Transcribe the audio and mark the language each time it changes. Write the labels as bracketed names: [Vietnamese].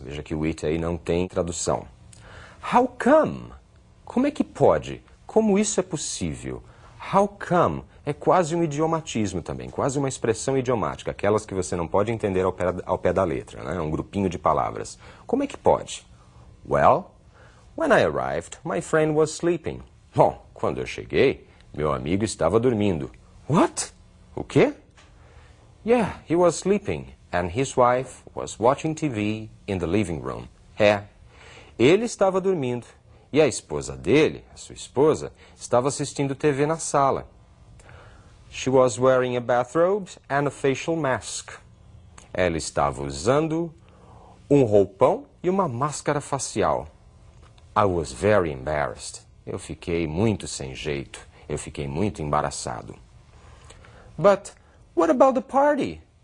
[Portuguese] Veja que o it aí não tem tradução. [English] How come? [Portuguese] Como é que pode? Como isso é possível? [English] How come? [Portuguese] É quase um idiomatismo também, quase uma expressão idiomática, aquelas que você não pode entender ao pé da letra, né? Um grupinho de palavras. Como é que pode? [English] Well, when I arrived, my friend was sleeping. [Portuguese] Bom, quando eu cheguei, meu amigo estava dormindo. [English] What? [Portuguese] O quê? [English] Yeah, he was sleeping, and his wife was watching TV in the living room. [Portuguese] É, ele estava dormindo, e a esposa dele, a sua esposa, estava assistindo TV na sala. [English] She was wearing a bathrobe and a facial mask. [Portuguese] Ela estava usando um roupão e uma máscara facial. [English] I was very embarrassed. [Portuguese] Eu fiquei muito sem jeito. Eu fiquei muito embaraçado. [English] But what about the party?